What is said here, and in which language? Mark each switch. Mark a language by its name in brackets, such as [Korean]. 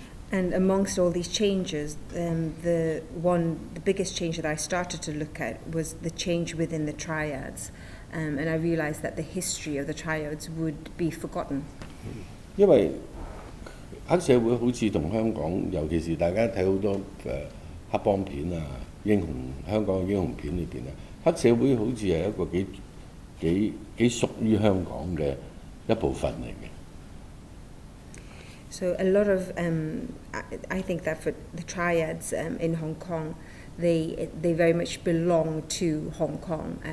[English] And amongst all these changes, the biggest change that I started to look at was the change within the triads, and I realized that the history of the triads would be forgotten. Because the black society, especially in Hong Kong, especially when you watch a lot of black gang films, Hong Kong hero films. [Cantonese] 黑社會好似係一個幾屬於香港嘅一部分嚟嘅。So [English] a lot of I think that for the triads in Hong Kong, they very much belong to Hong Kong.